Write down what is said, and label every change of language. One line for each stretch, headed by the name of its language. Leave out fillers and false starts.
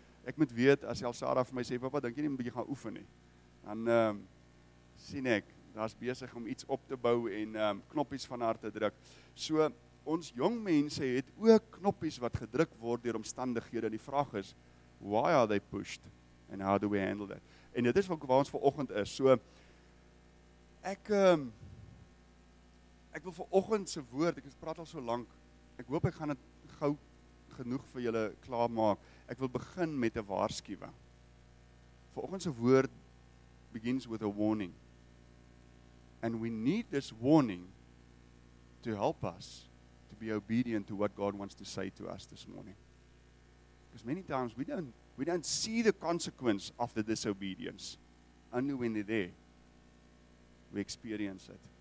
Afrikaans: Ek moet weet as Elsara vir my sê, "Pappa, dink jy nie 'n bietjie gaan oefen nie?" Dan sien ek daar's besig om iets op te bou en knoppies van haar te druk. So ons jong mense het ook knoppies wat gedruk word deur omstandighede en die vraag is
English: why are they pushed and how do we handle that?
Afrikaans: En dit is waar ons vanoggend is. So ek wil vanoggend se woord, ek het praat al so lank. Ek hoop ek gaan dit gou genoeg vir julle klaar maak. Ek wil begin met 'n waarskuwing. Vanoggend se woord
English: begins with a warning. And we need this warning to help us to be obedient to what God wants to say to us this morning. Because many times we don't see the consequence of the disobedience. Only when they're there, we experience it.